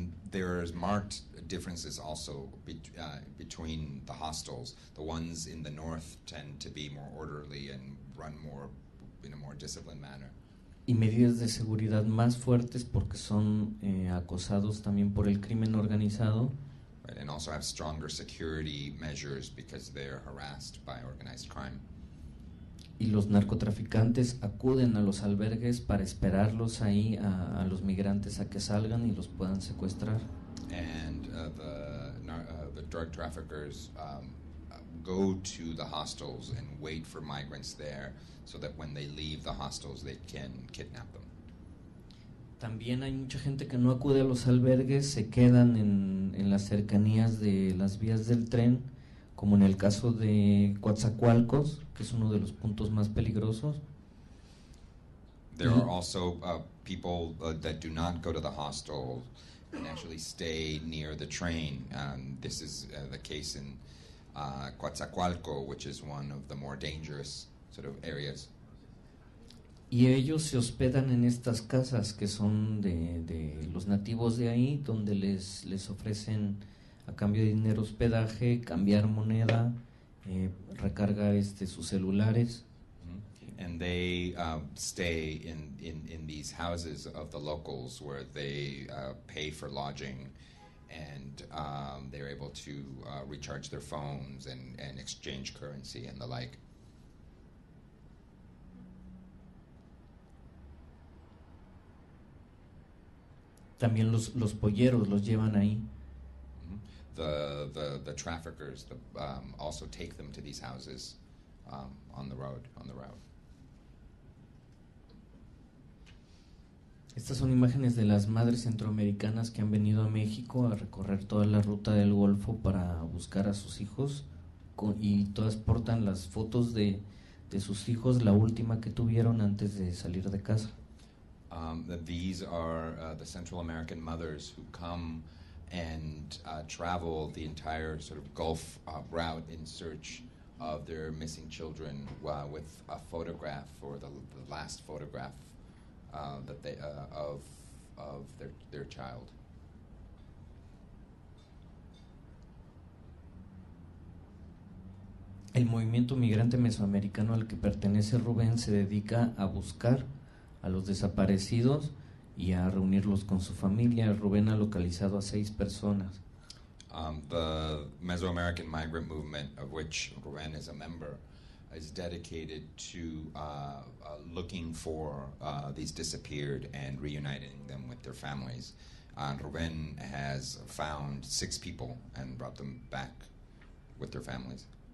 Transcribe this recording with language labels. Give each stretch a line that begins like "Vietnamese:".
English: There are marked differences also between the hostels. The ones in the north tend to be more orderly and run more in a more disciplined manner.
Spanish: Y medidas de seguridad más fuertes, porque son acosados también por el crimen organizado.
English: Right, and also have stronger security measures because they're harassed by organized crime.
Spanish: Y los narcotraficantes acuden a los albergues para esperarlos ahí a los migrantes a que salgan y los puedan secuestrar.
English: And the drug traffickers go to the hostels and wait for migrants there, so that when they leave the hostels, they can kidnap them.
Spanish: También hay mucha gente que no acude a los albergues, se quedan en las cercanías de las vías del tren, como en el caso de Coatzacoalcos, que es uno de los puntos más peligrosos.
English: There are also people that do not go to the hostel and actually stay near the train. This is the case in Coatzacoalco, which is one of the more dangerous sort of areas.
Spanish: Y ellos se hospedan en estas casas que son de los nativos de ahí, donde les ofrecen a cambio de dinero hospedaje, cambiar moneda, recargar sus celulares. Mm-hmm.
English: and they stay in these houses of the locals where they pay for lodging, and they're able to recharge their phones and exchange currency and the like.
Spanish: También los polleros los llevan ahí. Mm-hmm.
English: The traffickers also take them to these houses. On the road.
Spanish: Estas son imágenes de las madres centroamericanas que han venido a México a recorrer toda la ruta del Golfo para buscar a sus hijos, y todas portan las fotos de sus hijos, la última que tuvieron antes de salir de casa.
English: These are the Central American mothers who come and travel the entire sort of Gulf route in search of their missing children, with a photograph, or the last photograph of their child.
Spanish: El movimiento migrante mesoamericano al que pertenece Rubén se dedica a buscar a los desaparecidos y a reunirlos con su familia. Rubén ha localizado a 6 personas.
English: The Mesoamerican migrant movement, of which Rubén is a member, is dedicated to looking for these disappeared and reuniting them with their families. Rubén has found 6 people and brought them back with their families.